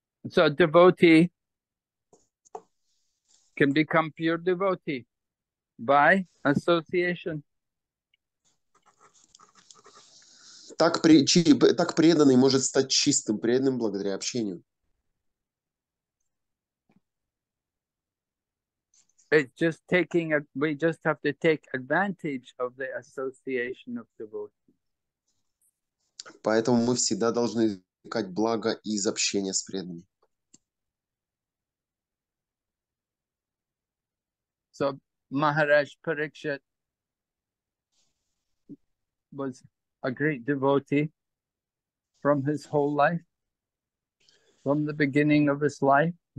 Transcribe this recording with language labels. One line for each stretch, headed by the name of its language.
English: So a devotee can become pure devotee by association.
Russian: Так преданный может стать чистым преданным благодаря общению.
English: It's just taking a, we just have to take advantage of the association of devotees.
Russian: Поэтому мы всегда должны извлекать благо из общения с преданными.
English: So Maharaj Parikshit was a great devotee from his whole life, from the beginning of his life.